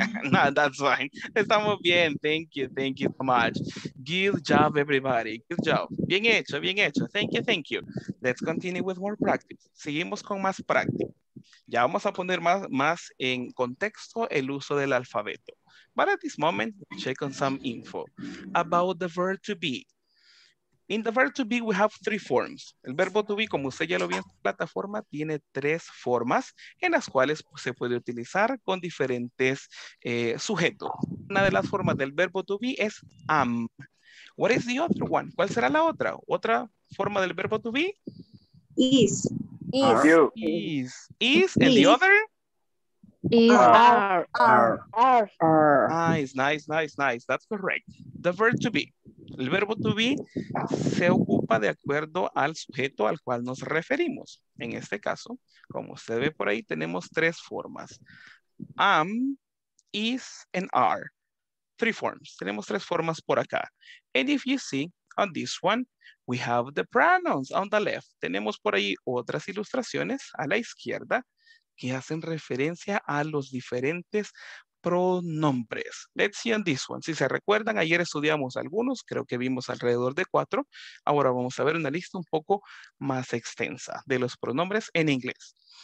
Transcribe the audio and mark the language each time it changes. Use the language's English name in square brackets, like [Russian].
[English] No, that's fine. [Spanish] Estamos bien. [English] Thank you. Thank you so much. Good job, everybody. Good job. [Spanish] Bien hecho, bien hecho. [English] Thank you, thank you. Let's continue with more practice. [Spanish] Seguimos con más práctica. Ya vamos a poner más en contexto el uso del alfabeto. [English] But at this moment, check on some info about the verb to be. In the verb to be, we have three forms. [Spanish] El verbo to be, como usted ya lo vio en la plataforma, tiene tres formas en las cuales se puede utilizar con diferentes sujetos. Una de las formas del verbo to be es am. [English] What is the other one? [Spanish] ¿Cuál será la otra? ¿Otra forma del verbo to be? [English] Is. Is. Is. And the other? Is. Nice, nice, nice, nice. That's correct. The verb to be. [Spanish] El verbo to be se ocupa de acuerdo al sujeto al cual nos referimos. En este caso, como usted ve por ahí, tenemos tres formas. [English] Am, is, and are. Three forms. [Spanish] Tenemos tres formas por acá. [English] And if you see on this one, we have the pronouns on the left. [Spanish] Tenemos por ahí otras ilustraciones a la izquierda que hacen referencia a los diferentes pronombres. [English] Let's see on this one. [Spanish] Si se recuerdan, ayer estudiamos algunos, creo que vimos alrededor de cuatro. Ahora vamos a ver una lista un poco más extensa de los pronombres en inglés.